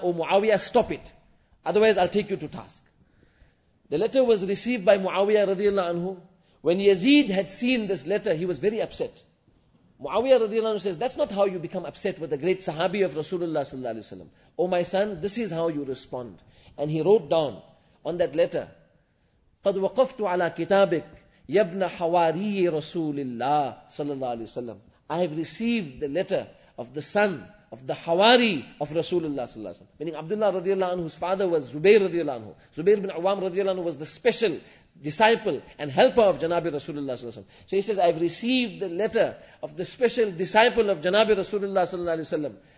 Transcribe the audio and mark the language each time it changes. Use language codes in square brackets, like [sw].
[en] Oh Muawiyah, stop it. Otherwise, I'll take you to task. The letter was received by Muawiyah radiallahu anhu. When Yazid had seen this letter, he was very upset. Muawiyah radiallahu anhu says, that's not how you become upset with the great Sahabi of Rasulullah sallallahu alaihi wasallam. Oh my son, this is how you respond. And he wrote down on that letter, [ar] قَدْ وَقَفْتُ عَلَىٰ كِتَابِكَ يَبْنَ حَوَارِيِّ رَسُولِ اللَّهِ صَلَى اللَّهُ عَلَيْهِ وَسَلَّمَ. [en] I have received the letter of the son of the Hawari of Rasulullah sallallahu alaihi wasallam. Meaning Abdullah radiallahu anhu's father was Zubair radiallahu anhu. Zubair bin Awam radiallahu anhu was the special disciple and helper of Janabi Rasulullah sallallahu alaihi wasallam. So he says, I have received the letter of the special disciple of Janabi Rasulullah sallallahu alaihi wasallam.